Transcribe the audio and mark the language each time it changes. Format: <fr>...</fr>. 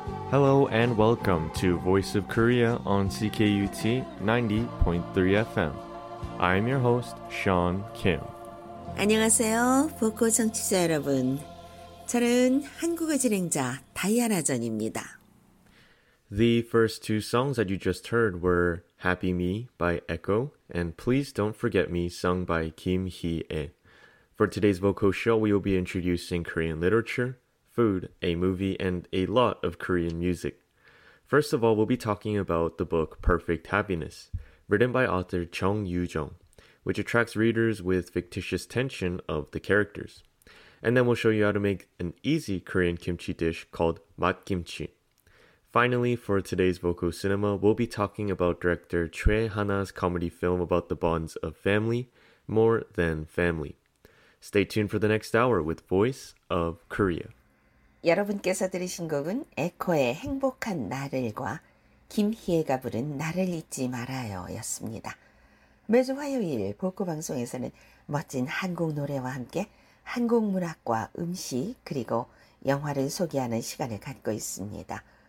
<en>Hello and welcome to Voice of Korea on CKUT 90.3 FM. I'm your host, Sean Kim.</en> <ko>안녕하세요, 보코 청취자 여러분. 저는 한국어 진행자 다이아나 전입니다.</ko> <en>The first two songs that you just heard were Happy Me by Echo and Please Don't Forget Me sung by Kim Hee-ae. For today's vocal show, we will be introducing Korean literature, food, a movie, and a lot of Korean music. First of all, we'll be talking about the book Perfect Happiness, written by author Chung Yoo-jung, which attracts readers with fictitious tension of the characters. And then we'll show you how to make an easy Korean kimchi dish called mat kimchi. Finally, for today's vocal cinema, we'll be talking about director Choi Han-ah's comedy film about the bonds of family, More Than Family. Stay tuned for the next hour with Voice of Korea.</en> <ko>여러분께서 들으신 곡은 에코의 행복한 나를과 김희애가 부른 나를 잊지 말아요 였습니다. 매주 화요일 복고 방송에서는 멋진 한국 노래와 함께 한국 문학과 음식 그리고 영화를 소개하는 시간을 갖고 있습니다.</ko>